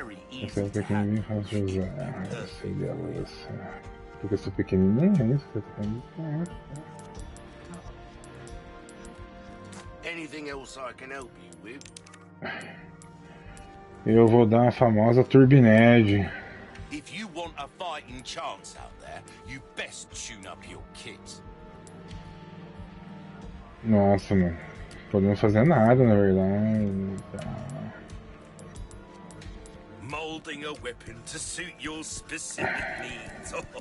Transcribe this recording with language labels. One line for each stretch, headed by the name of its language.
Portuguese: Esse é o pequenininho, Raul José. Esse é o esse. Porque esse pequenininho é isso que você tá falando.
English: Anything else I can help you with?
Portuguese: Eu vou dar a famosa Turbined.
English: If you want a fighting chance out there, you best tune up your kit.
Portuguese: Nossa, mano. Não podemos fazer nada, na verdade.
English: Molding a weapon to suit your specific needs.